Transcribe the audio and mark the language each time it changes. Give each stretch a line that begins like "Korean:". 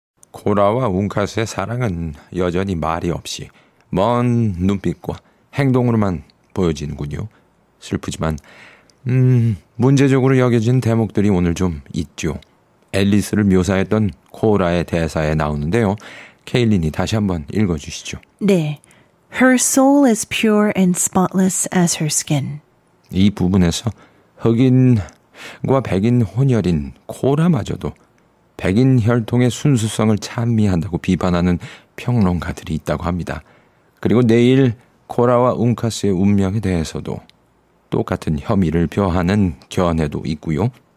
Korean: 코라와 웅카스의 사랑은 여전히 말이 없이 먼 눈빛과 행동으로만 보여지는군요. 슬프지만 문제적으로 여겨진 대목들이 오늘 좀 있죠. 앨리스를 묘사했던 코라의 대사에 나오는데요. 케일린이 다시 한번 읽어주시죠. 네.
English: Her soul is pure and spotless as her skin.
Korean: 이 부분에서 흑인과 백인 혼혈인 코라마저도 백인 혈통의 순수성을 찬미한다고 비판하는 평론가들이 있다고 합니다. 그리고 내일 코라와 웅카스의 운명에 대해서도 똑같은 혐의를 표하는 견해도 있고요.